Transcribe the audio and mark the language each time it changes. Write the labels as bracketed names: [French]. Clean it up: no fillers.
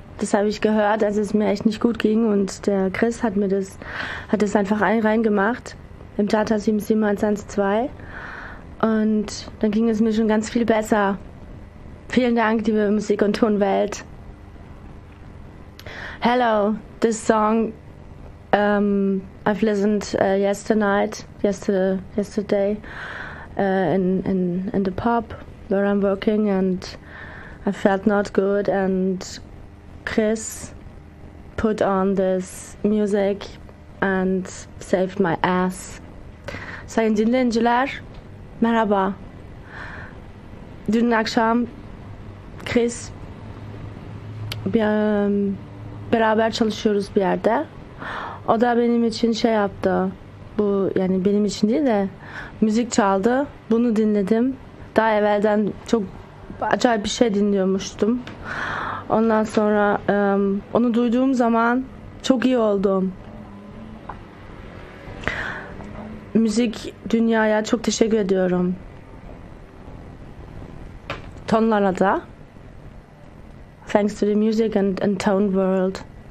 [German] Das habe ich gehört, als es mir echt nicht gut ging. Und der Chris hat mir das einfach reingemacht im Tata 77112. Und dann ging es mir schon ganz viel besser. Vielen Dank, liebe Musik- und Tonwelt. [English] Hello, this song I've listened yesterday in the pub where I'm working, and I felt not good, and Chris put on this music and saved my ass. [Turkish] Sayın dinleyiciler, merhaba. Dün akşam Chris beraber çalışıyoruz bir yerde. O da benim için şey yaptı. Bu yani benim için değil de müzik çaldı. Bunu dinledim. Daha evvelden çok acayip bir şey dinliyormuştum. Ondan sonra onu duyduğum zaman çok iyi oldum. Müzik dünyaya çok teşekkür ediyorum. Tonlara da. [English] Thanks to the music and tone world.